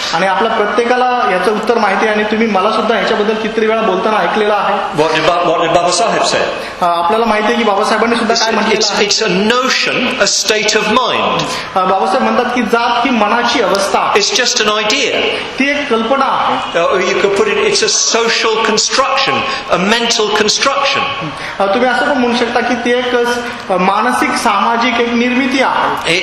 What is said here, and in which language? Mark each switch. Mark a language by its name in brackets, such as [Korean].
[Marathi] आणि आपल्या प्रत्येकाला याचं उत्तर माहिती आहे आणि तुम्ही मला सुद्धा याच्याबद्दल कितीतरी वेळा बोलताना ऐकलेलं आहे. [English] What did Baba Sahib say? [Marathi] आपल्याला माहिती आहे की बाबासाहेबांनी सुद्धा काय म्हटलं. [English] It's a notion, a state of mind. [Marathi] Babasaheb म्हणतात की जात ही मनाची अवस्था. [English] It's just an idea. [Marathi] ती एक कल्पना आहे. [English] You could put it, it's a social construction, a mental construction. [Marathi] तुम्ही असं पण म्हणू शकता की ती एक मानसिक सामाजिक एक निर्मिती आहे.